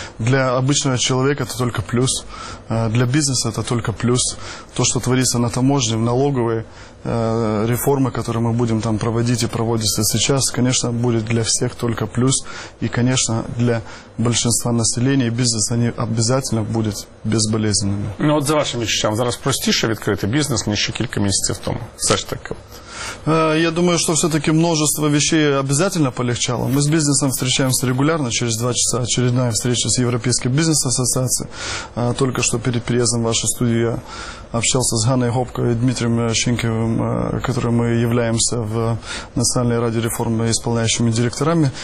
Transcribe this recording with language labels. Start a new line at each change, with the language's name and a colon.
Russian: Для обычного человека это только плюс, для бизнеса это только плюс. То, что творится на таможне, в налоговой, реформы, которые мы будем там проводить и проводится сейчас, конечно, будет для всех только плюс. И, конечно, для большинства населения и бизнеса они обязательно будут безболезненными. Ну вот за вашими ощущениями,
Ukrainian: зараз простіше відкрити бізнес, ніж ще кілька місяців тому? Все ж таки.
Russian: Я думаю, что все-таки множество вещей обязательно полегчало. Мы с бизнесом встречаемся регулярно, через 2 часа очередная встреча с Европейской бизнес-ассоциацией. Только что перед приездом в вашу студию я общался с Ганной Гопко и Дмитрием Щенкиевым, которым мы являемся в Национальной Раде Реформы исполняющими директорами.